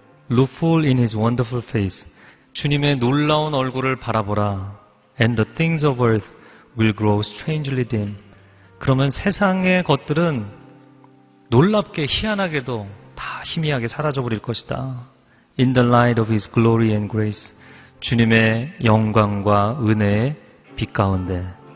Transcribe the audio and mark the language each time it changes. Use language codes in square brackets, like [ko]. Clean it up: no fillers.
[en] Look full in his wonderful face. [ko] 주님의 놀라운 얼굴을 바라보라. [en] And the things of earth will grow strangely dim. [ko] 그러면 세상의 것들은 놀랍게 희한하게도 다 희미하게 사라져버릴 것이다. [en] In the light of his glory and grace. [ko] 주님의 영광과 은혜의 빛 가운데.